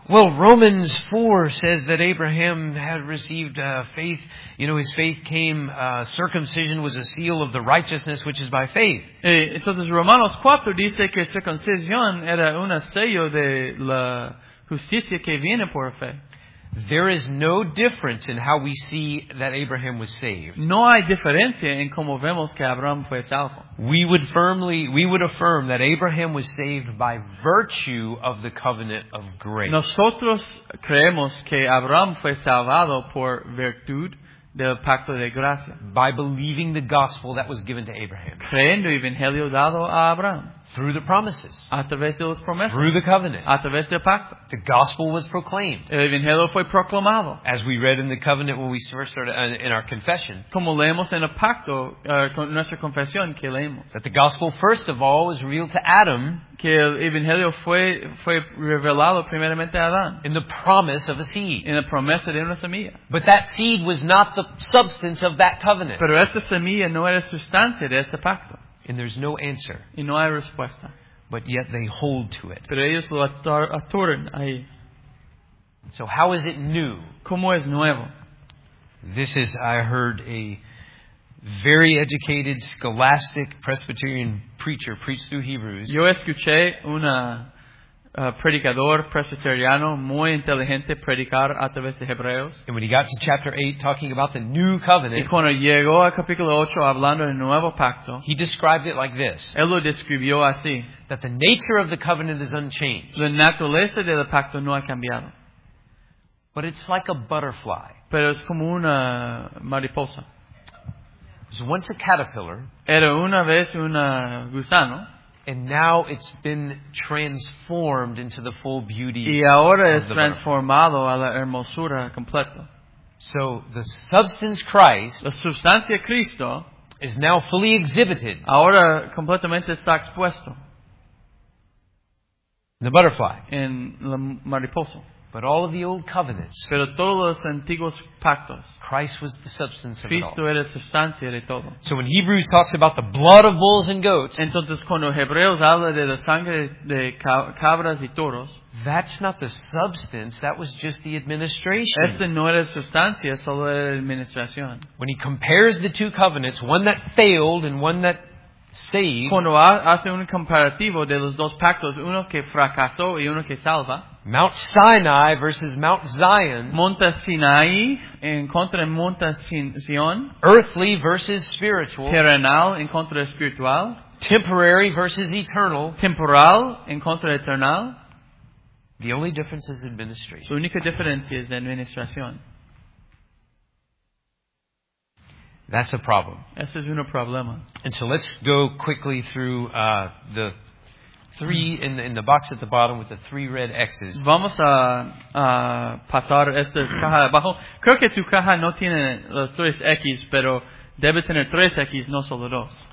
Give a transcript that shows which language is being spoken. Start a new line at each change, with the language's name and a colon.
English: Well, Romans 4 says that Abraham had received faith. You know, his faith came, circumcision was a seal of the righteousness which is by faith.
Spanish: Entonces, Romanos 4 dice que circuncisión era un sello de la justicia que viene por fe.
English: There is no difference in how we see that Abraham was saved.
Spanish: No hay diferencia en cómo vemos que Abraham fue salvo.
English: We would affirm that Abraham was saved by virtue of the covenant of grace.
Spanish: Nosotros creemos que Abraham fue salvado por virtud del pacto de gracia.
English: By believing the gospel that was given to Abraham.
Spanish: Creyendo el evangelio dado a Abraham.
English: Through the promises.
Spanish: A través de las promesas.
English: Through the covenant.
Spanish: A través del pacto.
English: The gospel was proclaimed.
Spanish: El evangelio fue proclamado.
English: As we read in the covenant when we first started in our confession.
Spanish: Como leemos en el pacto, con nuestra confesión que leemos.
English: That the gospel first of all was revealed to Adam.
Spanish: Que el evangelio fue revelado primeramente a Adán.
English: In the promise of a seed.
Spanish: En la promesa de una semilla.
English: But that seed was not the substance of that covenant.
Spanish: Pero esta semilla no era sustancia de este pacto.
English: And there's no answer.
Spanish: Y no hay respuesta.
English: But yet they hold to it.
Spanish: Pero ellos lo atoran ahí.
English: So how is it new?
Spanish: ¿Cómo es nuevo?
English: This is, I heard a very educated, scholastic, Presbyterian preacher preach through Hebrews.
Spanish: Yo escuché una predicador presbiteriano muy inteligente predicar a través de Hebreos.
English: And when he got to chapter 8 talking about the new covenant,
Spanish: y cuando llegó a capítulo 8 hablando del nuevo pacto,
English: he described it like this.
Spanish: Él lo describió así.
English: That the nature of the covenant is unchanged.
Spanish: La naturaleza del pacto no ha cambiado.
English: But it's like a butterfly.
Spanish: Pero es como una mariposa.
English: It was once a caterpillar.
Spanish: Era una vez un gusano.
English: And now it's been transformed into the full beauty.
Spanish: Y ahora es transformado a la hermosura completa.
English: So the substance Christ,
Spanish: la sustancia Cristo,
English: is now fully exhibited.
Spanish: Ahora completamente está expuesto.
English: The butterfly.
Spanish: En la mariposa.
English: But all of the old covenants.
Spanish: Pero todos los antiguos pactos.
English: Christ was the substance of
Spanish: Cristo
English: it all.
Spanish: Cristo era sustancia de todo.
English: So when Hebrews talks about the blood of bulls and goats.
Spanish: Entonces cuando Hebreos habla de la sangre de cabras y toros.
English: That's not the substance. That was just the administration.
Spanish: Esta no era sustancia, solo era administración.
English: When he compares the two covenants, one that failed and one that saves.
Spanish: Cuando hace un comparativo de los dos pactos, uno que fracasó y uno que salva.
English: Mount Sinai versus Mount Zion.
Spanish: Monte Sinai en contra de Monte Sion.
English: Earthly versus spiritual.
Spanish: Terrenal en contra de espiritual.
English: Temporary versus eternal.
Spanish: Temporal en contra de eternal.
English: The only difference is administration.
Spanish: La única diferencia es administración.
English: That's a problem.
Spanish: Ese es un problema.
English: And so let's go quickly through the three in the box at the bottom with the three red X's.
Spanish: Vamos a pasar esta caja de abajo. Creo que tu caja no tiene los tres X, pero debe tener tres X, no solo dos.